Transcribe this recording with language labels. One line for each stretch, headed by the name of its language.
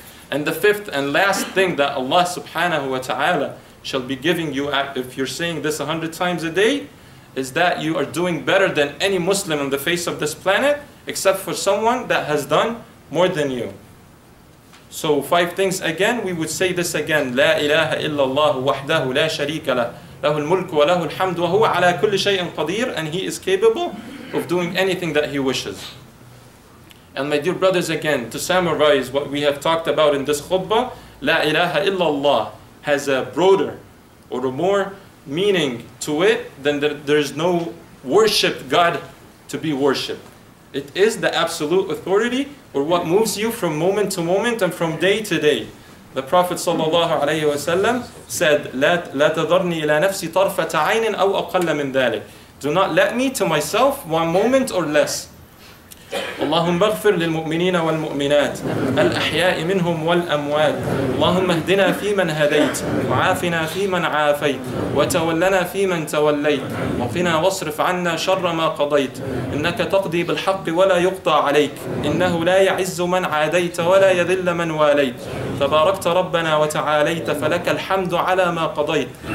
English: And the fifth and last thing that Allah subhanahu wa ta'ala shall be giving you if you're saying this 100 times a day, is that you are doing better than any Muslim on the face of this planet, except for someone that has done more than you. So five things again, we would say this again.
Arabic: لا إله إلا الله وحده لا شريك له له الملك وله الحمد وهو على كل شيء قدير.
English: And he is capable of doing anything that he wishes. And my dear brothers, again, to summarize what we have talked about in this khutbah,
Arabic: لا إله إلا الله
English: has a broader or a more meaning to it than that there is no worship God to be worshipped. It is the absolute authority or what moves you from moment to moment and from day to day. The Prophet ﷺ said,
Arabic: لا تضرني إلى نفسي طرفة عين أو أقل من ذلك.
English: Do not let me to myself one moment or less.
Arabic: اللهم اغفر للمؤمنين والمؤمنات الأحياء منهم والأموات اللهم اهدنا فيمن هديت وعافنا فيمن عافيت وتولنا فيمن توليت وقنا واصرف عنا شر ما قضيت إنك تقضي بالحق ولا يقضى عليك إنه لا يعز من عاديت ولا يذل من واليت تباركت ربنا وتعاليت فلك الحمد على ما قضيت